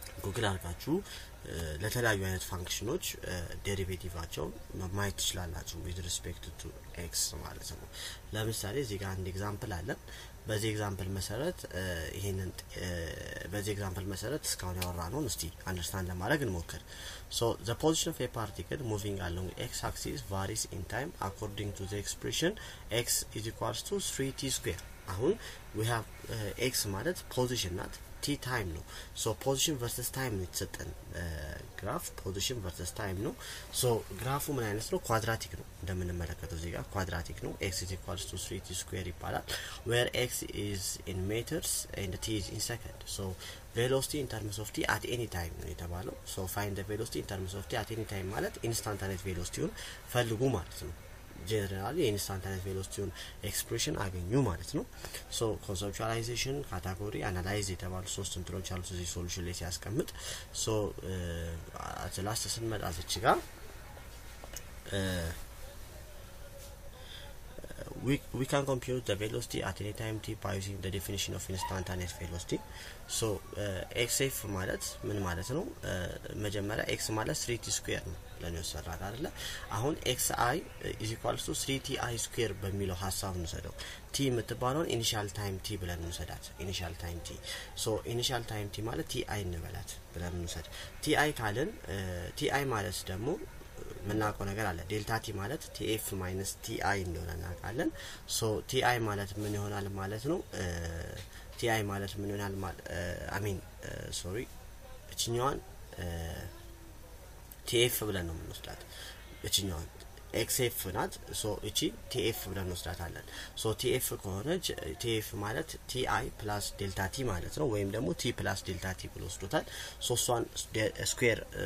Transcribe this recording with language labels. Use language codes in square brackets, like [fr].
[am] ጉግል አርጋችሁ ለተለያዩ አይነት ፋንክሽኖች ዴሪቬቲቫቸው ማየት ትችላላችሁ with respect to x ማለት ነው። ለምሳሌ እዚህ ጋር አንድ ኤግዛምፕል አለ። በዚህ ኤግዛምፕል መሰረት ይሄንን በዚህ ኤግዛምፕል መሰረት እስካሁን ያወራነውን እስቲ አንደርስታንድ ለማድረግ እንሞክር። [en] So the position of a particle moving along x axis varies in time according to the expression x is equals to 3t square. [am] አሁን [en] we have [am] x ማለት position ናት t time ነው. [en] So position versus time [am] ነው የተሰጠን [en] graph position versus time ነው. [am] So graph-ው ምን አይነት ነው? quadratic ነው. እንደምንመለከተው እዚህ ጋር quadratic ነው. [en] x is equals to 3t square [am] ይባላል. [en] Where x is in meters and t is in second. So velocity in terms of t at any time [am] ነው የተባለው. [en] So find the velocity in terms of t at any time [am] ማለት instantaneous velocity-ውን ፈልጉ ማለት ነው. ጀነራሊ ኢንስታንታኔስ ቬሎሲቲውን ኤክስፕሬሽን አገኙ ማለት ነው። ሶ ኮንሰፕቹዋላይዜሽን ካታጎሪ አናላይዝ የተባሉ ሶስት እንትሮች አሉ እዚህ ሶሉሽን ላይ ሲያስቀምጥ። ሶ አት ላስት ስንመጣ እዚች ጋር [en] we can compute the velocity at any time t by using the definition of instantaneous velocity. [am] So xf ማለት ምን ማለት ነው? መጀመሪያ x ማለት 3t square ነው ለኔ ሰራት አይደለ? አሁን xi is equals to 3ti square በሚለው ሐሳብ ነው ሰደው t የምትባለውን initial time t ብለን ነው ሰዳት initial time t. So initial time t ማለት ti እንበላት ብለን ነው ሰድ ti ካልን ti ማለት ደግሞ መናቀው ነገር አለ ዴልታ ቲ ማለት tf - ti እንደሆነ እናቃለን። ሶ ti ማለት ምን ይሆናል ማለት ነው? ti ማለት ምን ይሆናል ማለት አሚን ሶሪ እቺኛዋን tf ብለን ነው የምንወስዳት እቺኛዋን xf ናት። ሶ እቺ tf ብለን እንወስዳታለን። ሶ tf ከሆነ tf ማለት ti + ዴልታ ቲ ማለት ነው ወይም ደግሞ t + ዴልታ ቲ ብሎ ስለታል። ሶ ሷን ስኩዌር